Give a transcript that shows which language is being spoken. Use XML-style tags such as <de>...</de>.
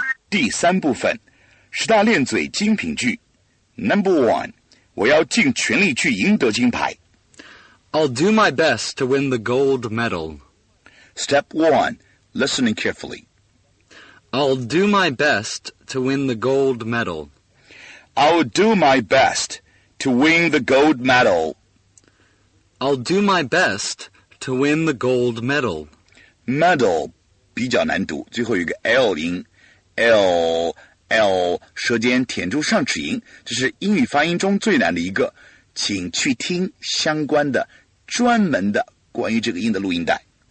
<zh>第三部分，十大练嘴精品句。 Number one, 我要尽全力去赢得金牌。</zh> <en>I'll do my best to win the gold medal. Step one, listening carefully. I'll do my best to win the gold medal. I'll do my best to win the gold medal. I'll do my best to win the gold medal.</en> <zh>Medal 比较难读，最后一个 L 音 L 舌尖舔住上齿龈，这是英语发音中最难的一个，请去听相关的专门的关于这个音的录音带。</zh>